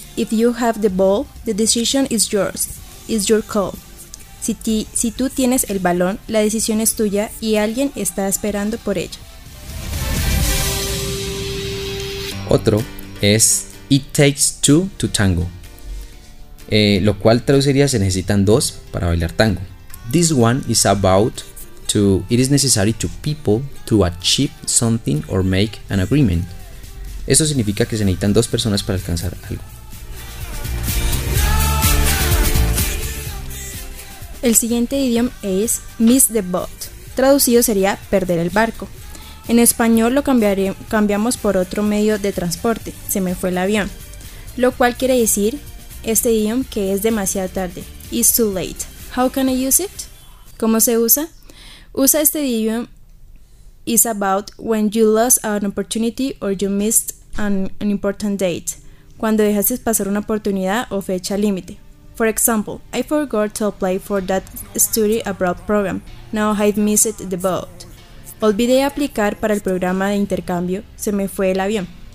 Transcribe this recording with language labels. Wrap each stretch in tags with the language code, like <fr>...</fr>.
<en>If you have the ball, the decision is yours. It's your call.</en> <es>Si tú tienes el balón, la decisión es tuya y alguien está esperando por ella. Otro es "It takes two to tango", lo cual traduciría "Se necesitan dos para bailar tango".</es> <en>This one is about to "It is necessary to people to achieve something or make an agreement".</en> <es>Eso significa que se necesitan dos personas para alcanzar algo. El siguiente idiom es "miss the boat", traducido sería "perder el barco". En español lo cambiamos por otro medio de transporte, "se me fue el avión", lo cual quiere decir este idiom que es demasiado tarde, "it's too late". How can I use it? ¿Cómo se usa? Usa este idiom "is about when you lost an opportunity or you missed an important date", cuando dejaste pasar una oportunidad o fecha límite.</es> <en>For example, "I forgot to apply for that study abroad program. Now I've missed the boat".</en> <es>Olvidé aplicar para el programa de intercambio, se me fue el avión.</es>